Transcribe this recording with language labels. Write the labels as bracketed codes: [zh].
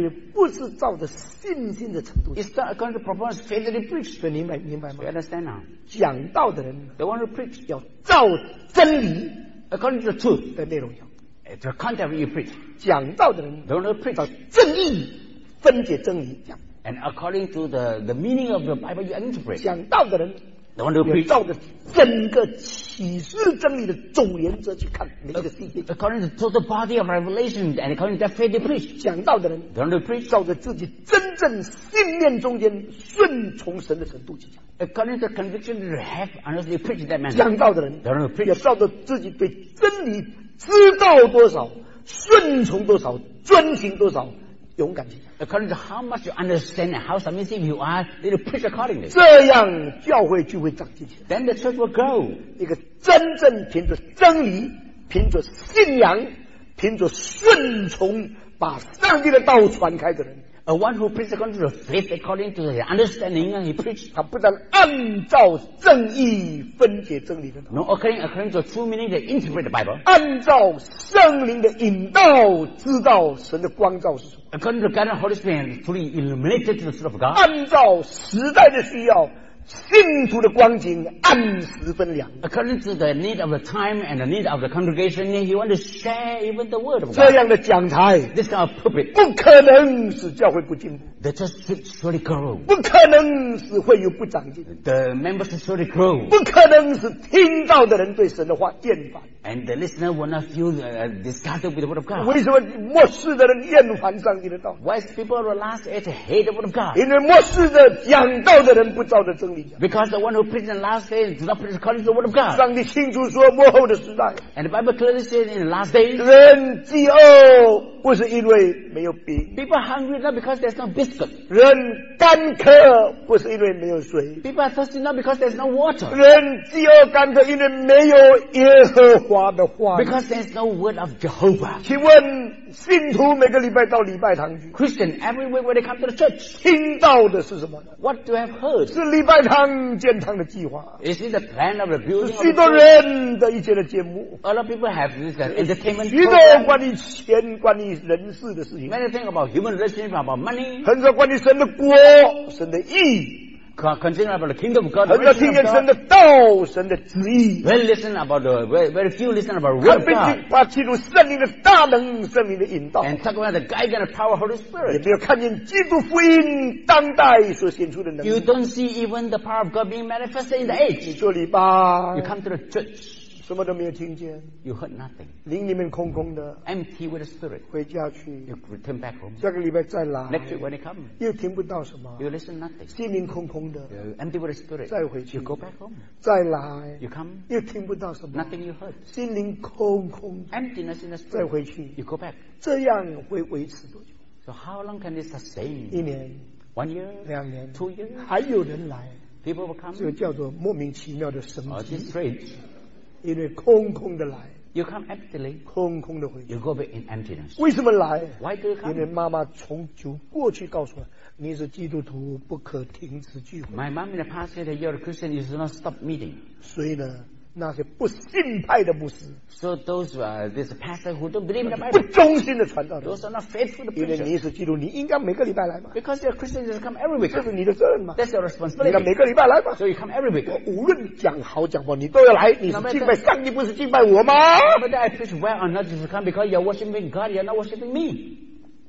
[zh] 也不是照着信心的程度, [en] it's not according to proportion of faith that he preached. [zh] 明白吗? [en] So you understand now, [zh] 讲道的人, [en] the one who preached, [zh] 要照真理, [en] according to the truth, [zh] 的内容要, [en] the content you preach, [zh] 讲道的人, [en] the one who preached, [zh] 要正义, 分解真理, [en] and according to the meaning of the Bible you interpret, [zh] 讲道的人, [en] the one who preach, [zh] 整个启示真理的总原则去看, [en] according to the total body of revelation and according to that faith they preach, [zh] 讲道的人, [en] the one who preach, [zh] 照着自己真正信念中间顺从神的程度去讲, [en] according to the conviction you have unless they preach that manner, [zh] 讲道的人, [en] the one who preach, [zh] 也照着自己对真理知道多少顺从多少遵行多少, [en] according to how much you understand and how submissive you are, they will preach accordingly. [zh] 这样教会就会长进去, [en] then the church will grow. [zh] 一个真正凭着真理, 凭着信仰, 凭着顺从, 把上帝的道传开的人, [en] a one who preaches according to the faith, according to the understanding, and he preached, [zh] 他不但按照正义分解真理的道, [en] no, according to the true meaning, they interpret the Bible, [zh] 按照圣灵的引导, 知道神的光照是什么, [en] according to the guidance of the Holy Spirit, fully illuminated to the Son of God, [zh] 按照时代的需要,信徒的光景按时分量。 [en] According to the need of the time and the need of the congregation, he wants to share even the word of God. [zh] 这样的讲台 [en] this kind of pulpit, [zh] 不可能使教会不进步。 [en] The church should surely grow. [zh] 不可能使会有不长进。 [en] The members should surely grow. [zh] 不可能使听到的人对神的话厌烦。 [en] And the listener will not feel disgusted with the word of God. [zh] 为什么末世的人厌烦上帝的道？ [en] Why people will last age hate the word of God? [zh] 因为末世的讲道的人不照着真理。 [en] Because the one who preached in the last days does not preach according to the word of God. [zh] 上帝清楚说末后的时代。 [en] And the Bible clearly says in the last days, [zh] 人饥饿不是因为没有饼。 [en] People hungry not because there's no biscuit. [zh] 人干渴不是因为没有水。 [en] People are thirsty not because there's no water. [zh] 人饥饿干渴因为没有耶和华的话。 [en] Because there's no word of Jehovah. [zh] 请问信徒每个礼拜到礼拜堂去。 [en] Christian, every week when they come to the church, [zh] 听到的是什么呢？ [en] What do I have heard? [zh] 是礼拜堂建堂的计划。 [en] Is it the plan of the building? [zh] 许多人的一些的节目。 [en] A lot of people have this entertainment. [zh] 许多关于钱关于人事的事情。 [en] Many things about human relations, about money. [zh] 很多关于神的国神的义。 [en] Continue about the kingdom of God. [zh] 很多听见神的道神的旨意。 [en] Very listen about the, very few listen about the word of God. [zh] 把进入圣灵的大能圣灵的引导。 [en] And talk about the guidance of power of Holy Spirit. [zh] 也没有看见基督福音当代所显出的能力。 [en] You don't see even the power of God being manifested in the age. [zh] 你做礼拜。 [en] You come to the church. [zh] 什么都没有听见。 [en] You heard nothing. [zh] 灵里面空空的。 [en] Empty with the spirit. [zh] 回家去。 [en] You return back home. [zh] 下个礼拜再来。 [en] Next week when you come. [zh] 又听不到什么。 [en] You listen nothing. [zh] 心灵空空的。 [en] You're empty with the spirit. [zh] 再回去。 [en] You go back home. [zh] 再来。 [en] You come. [zh] 又听不到什么。 [en] Nothing you heard. [zh] 心灵空空的。 [en] Emptiness in the spirit. [zh] 再回去。 [en] You go back. [zh] 这样会维持多久？ [en] So how long can this sustain? [zh] 一年。 [en] One year. [zh] 两年。 [en] Two years. [zh] 还有人来。 [en] People will come. [zh] 这个叫做莫名其妙的神迹。 [en] Oh, this is strange. [zh] 因为空空的来 [en] you come emptily, [zh] 空空的回去 [en] you go back in emptiness. [zh] 为什么来 [en] Why do you come? [zh] 因为妈妈从就过去告诉我你是基督徒不可停止聚会 [en] My mom in the past said that you're a Christian you should not stop meeting [zh] 所以呢那些不信派的牧师 [en] So those who are this pastor who don't believe in the Bible [zh] 不忠心的传道人 [en] Those are not faithful the preacher [zh] 因为你是基督你应该每个礼拜来嘛 [en] Because you're a Christian you should come every week [zh] 这是你的责任嘛 [en] That's your responsibility [zh] 你应该每个礼拜来嘛 [en] So you come every week [zh] 我无论讲好讲不好你都要来你是敬拜上帝不是敬拜我吗 [en] But I preach well or not you should come because you're worshiping God you're not worshiping me